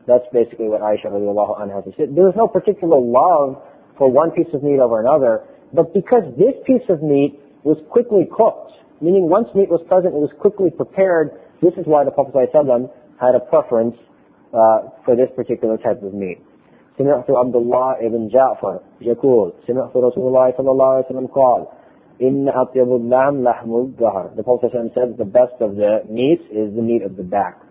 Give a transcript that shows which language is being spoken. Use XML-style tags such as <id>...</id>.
<en>That's basically what Aisha radiallahu anha has to say. There was no particular love for one piece of meat over another, but because this piece of meat was quickly cooked, meaning once meat was present, it was quickly prepared, this is why the Prophet ﷺ had a preference for this particular type of meat.</en> <ar>سمعت عبد الله ابن جعفر يقول سمعت رسول الله صلى الله عليه وسلم قال إن أطيب اللحم لحم الظهر.</ar> <en>The Prophet ﷺ said the best of the meat is the meat of the back.</en>